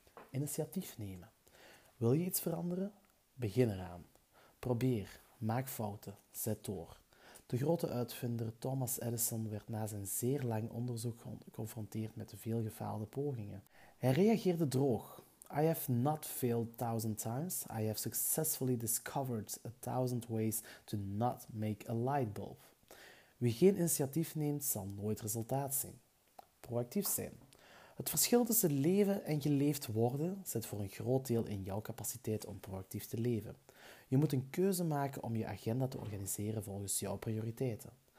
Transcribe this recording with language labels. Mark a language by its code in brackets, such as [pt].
[nl] Initiatief nemen. Wil je iets veranderen? Begin eraan. Probeer. Maak fouten. Zet door. De grote uitvinder Thomas Edison werd na zijn zeer lang onderzoek geconfronteerd met de veel gefaalde pogingen. Hij reageerde droog. [en] I have not failed 1000 times. I have successfully discovered 1000 ways to not make a light bulb. [nl] Wie geen initiatief neemt, zal nooit resultaat zien. Proactief zijn. Het verschil tussen leven en geleefd worden zit voor een groot deel in jouw capaciteit om proactief te leven. Je moet een keuze maken om je agenda te organiseren volgens jouw prioriteiten.